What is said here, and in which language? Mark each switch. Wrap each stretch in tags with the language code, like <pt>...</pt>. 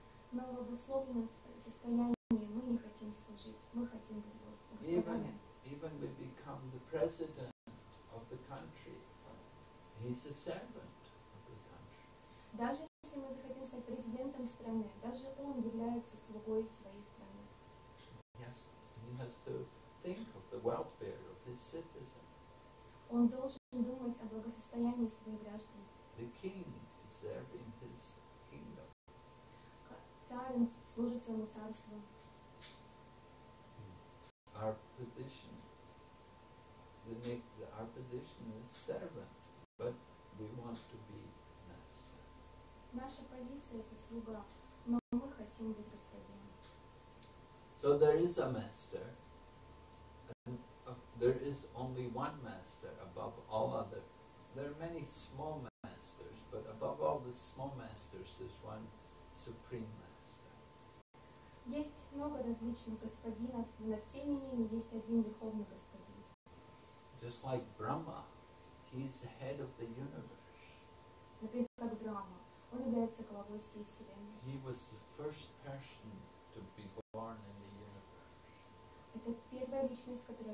<ru>Но в обусловленном состоянии мы не хотим служить, мы хотим быть господами.</ru> <en>Even we become the president of the country, he's a servant of the country.</en> <ru>Даже если мы захотим стать президентом страны, даже он является слугой своей страны.</ru> <en>He has to think of the welfare of his citizens.</en> <ru>Он должен думать о благосостоянии своих граждан.</ru> <en>The king is serving his kingdom.</en> <ru>Царь служит своему царству.</ru> <en>Our position. Our position is servant, but we want to be master.</en> <ru>Наша позиция — это слуга, но мы хотим быть господином.</ru> <en>So there is a master, and there is only one master above all other. There are many small masters, but above all the small masters is one supreme master.</en> <ru>Есть много различных господинов, но над всеми ними есть один верховный господин.</ru> <en>Just like Brahma, he is the head of the universe. He was the first person to be born in the universe.</en>